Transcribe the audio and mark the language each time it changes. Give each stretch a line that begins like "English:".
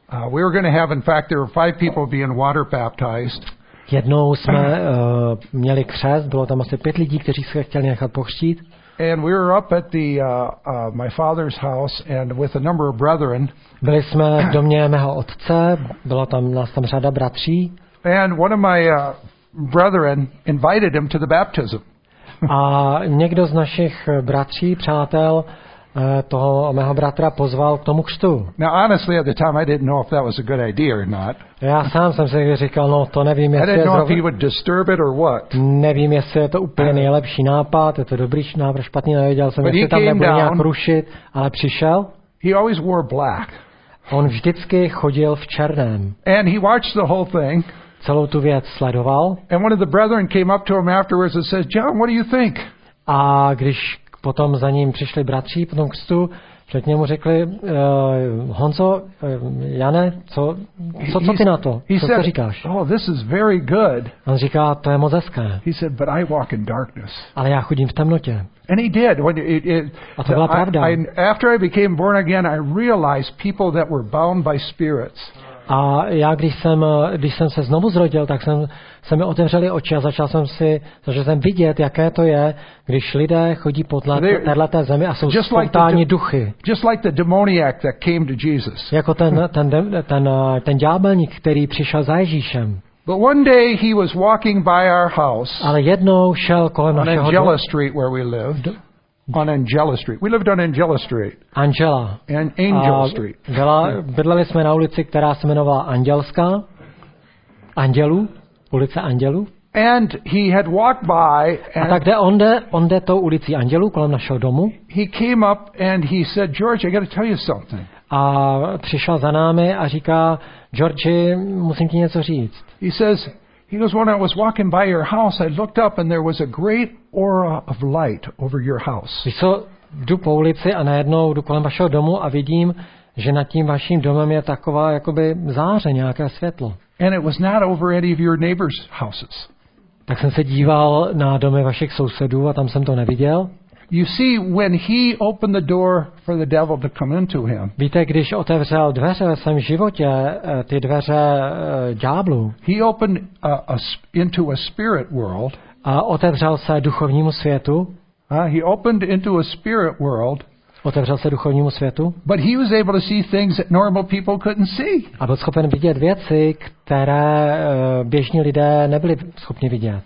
English: We were going to have, in fact, there were 5 people being water baptized.
Czech: Jednou jsme měli křest, bylo tam asi 5 lidí, kteří se chtěli nechat pochřtít.
English: And we were up at the my father's house and with a number of brethren.
Czech: Byli jsme v domě mého otce, byla tam nás tam řada bratří.
English: And one of my brethren invited him to the baptism.
Czech: A někdo z našich bratří, přátel toho mého bratra pozval k tomu křtu.
English: Now honestly at the time I didn't know if that was a good idea or not.
Czech: Já sám jsem si říkal, no to nevím, jestli
English: I didn't know if he would disturb it or what.
Czech: Nevím, jestli je to úplně nejlepší nápad, je to dobrý návrh, špatný, nevěděl jsem, jestli tam nebude nějak rušit, ale přišel.
English: He always wore black.
Czech: On vždycky chodil v černém.
English: And he watched the whole thing.
Czech: Celou tu věc sledoval.
English: And one of the brethren came up to him afterwards and said, John, what do you think?
Czech: A když potom za ním přišli bratři po tom křtu, před němu řekli, Honzo, Jane, co ty na to? Co říkáš?
English: Oh, this is very good.
Czech: On říká, to je moc hezké.
English: He said, but I walk in darkness.
Czech: Ale já chodím v temnotě.
English: And he did. When it,
Czech: a to byla pravda.
English: After I became born again, I realized people that were bound by spirits.
Czech: A já když jsem se znovu zrodil, tak jsem se mi otevřeli oči a začal jsem vidět, jaké to je, když lidé chodí podle téhleté zemi a jsou spontánní duchy.
English: Just like the demoniac that came to Jesus.
Czech: Jako ten ďábelník, který přišel za Ježíšem.
English: But one day he was walking by our house.
Czech: Ale jednou šel kolem našeho domu.
English: On Angela Street where we lived. On Angela Street. We lived on Angela Street. Angela. And Angel Street.
Czech: Bydleli jsme na ulici, která se jmenovala Andělská. Andělů. Ulice Andělů.
English: And he had walked by.
Czech: A tak on jde tou ulicí Andělů kolem našeho domu.
English: He came up and he said, George, I got to tell you something.
Czech: A přišel za námi a říká, George, musím ti něco říct.
English: He goes, when I was walking by your house, I looked up and there was a great aura of light over your house.
Czech: Víš co, jdu po ulici a najednou jdu kolem vašeho domu a vidím, že nad tím vaším domem je taková jakoby záře, nějaké světlo.
English: And it was not over any of your neighbors' houses.
Czech: Tak jsem se díval na domy vašich sousedů a tam jsem to neviděl.
English: You see, when he opened the door for the devil to come into him.
Czech: Víte, když otevřel dveře ve svém životě, ty dveře ďáblu.
English: He opened into a spirit world.
Czech: A otevřel se duchovnímu světu.
English: He opened into a spirit world.
Czech: Otevřel se duchovnímu světu.
English: But he was able to see things that normal people couldn't see.
Czech: A byl schopen vidět věci, které běžní lidé nebyli schopni vidět.